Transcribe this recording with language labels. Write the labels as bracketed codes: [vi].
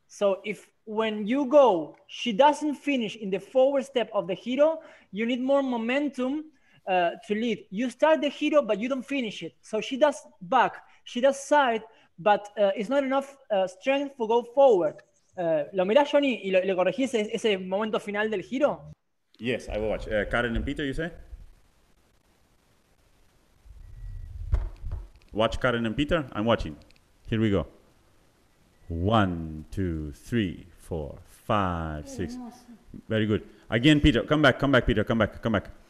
[en] So if when you go, she doesn't finish in the forward step of the giro, you need more momentum to lead. You start the giro, but you don't finish it. So she does back, she does side, but it's not enough strength to go forward. [es] ¿Lo mirás, Johnny, y le corregís ese momento final del giro? [en] Yes, I will watch. Karen and Peter, you say? Watch Karen and Peter. I'm watching. Here we go. 1, 2, 3, 4, 5, 6. Very good. Again, Peter. Come back. Come back, Peter. Come back. Come back.